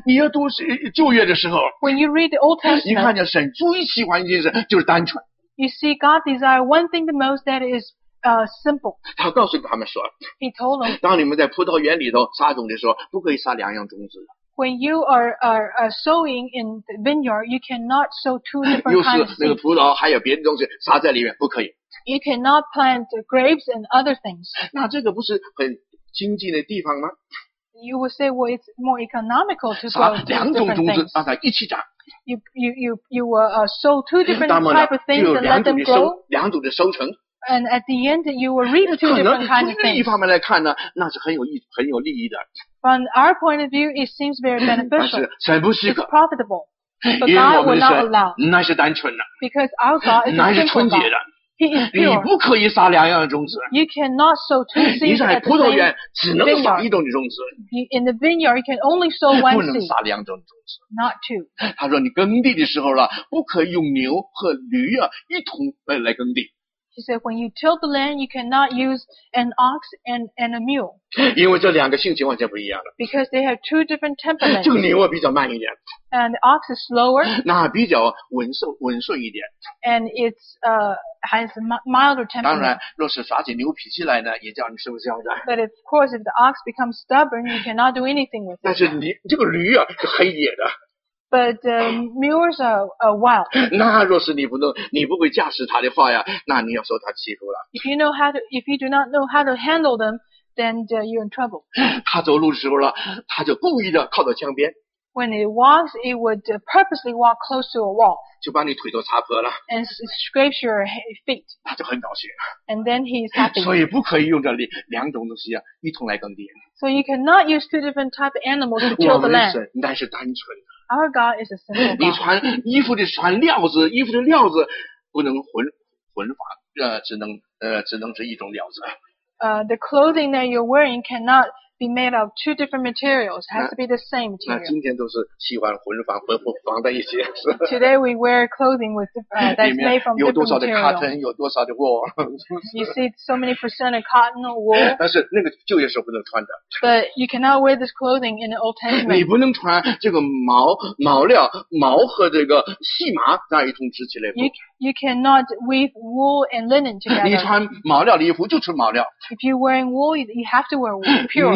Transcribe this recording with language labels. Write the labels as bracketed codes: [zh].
[zh] 所以你要读旧约的时候。 [en] When you read the Old Testament, [zh] 你看见神最喜欢一件事就是单纯。 [en] You see, God desires one thing the most that is simple. [zh] 他告诉他们说。 [en] He told them. [zh] 当你们在葡萄园里头撒种的时候，不可以撒两样种子。 [en] When you are sowing in the vineyard, you cannot sow two different kinds. [zh] 又是那个葡萄，还有别的东西撒在里面，不可以。 [en] You cannot plant grapes and other things. [zh] 那这个不是很经济的地方吗 [en] ？You would say, well, it's more economical to sow different things. [zh] 撒两种种子让它一起长。 [en] You will sow two different type of things and let them grow. [zh] 两种的收成。 [en] And at the end, you will reap two different kinds of things. [zh] 从一方面来看呢，那是很有利益的。 [en] From our point of view, it seems very beneficial. [zh] 但是神不许可。 [en] It's profitable, but God will not allow. [zh] 那是单纯的。 [en] Because our God is simple. [zh] 那是纯洁的。 [en] He is pure. [zh] 你不可以撒两样的种子。 [en] You cannot sow two seeds at the same vineyard. [zh] 你在葡萄园只能撒一种的种子。 [en] In the vineyard, you can only sow one seed. [zh] 不能撒两种种子。 [en] Not two. [zh] 他说你耕地的时候了，不可以用牛和驴啊一同来耕地。 [en] He said, when you till the land, you cannot use an ox and a mule. [zh] 因为这两个性情完全不一样了。 [en] Because they have two different temperaments. [zh] 这个牛比较慢一点。 [en] And the ox is slower. [zh] 那比较稳顺一点。 [en] And it's, has a milder temperament. [zh] 当然若是耍起牛脾气来呢也叫你受教的。 [en] But of course, if the ox becomes stubborn, you cannot do anything with it. [zh] 但是这个驴啊是黑野的。 [en] But mules are wild. [zh] 那若是你不会驾驶它的话呀，那你要受它欺负了。 [en] If you do not know how to handle them, then you're in trouble. [zh] 它走路的时候了，它就故意的靠到墙边。 [en] When it walks, it would purposely walk close to a wall. [zh] 就把你腿都擦破了。 [en] And scrapes your feet. [zh] 它就很高兴。 [en] And then he's happy. [zh] 所以不可以用这两种东西啊一同来耕地。 [en] So you cannot use two different type of animals to till the land. [zh] 我们神那是单纯的。 [en] Our God is a simple God. [zh] 你穿衣服的穿料子，衣服的料子不能混纺，只能是一种料子。 [en] The clothing that you're wearing cannot be made of two different materials. Has to be the same material. [zh] 那今天都是喜欢混纺的一些。 [en] Today we wear clothing with that's made from different materials. [zh] 有多少的 cotton， 有多少的 wool。 [en] You see so many percent of cotton or wool. [zh] 但是那个旧约时候不能穿的。 [en] But you cannot wear this clothing in the Old Testament. [zh] 你不能穿这个毛料毛和这个细麻在一同织起来。 [en] You cannot weave wool and linen together. [zh] 你穿毛料的衣服就穿毛料。 [en] If you're wearing wool, you have to wear wool, pure.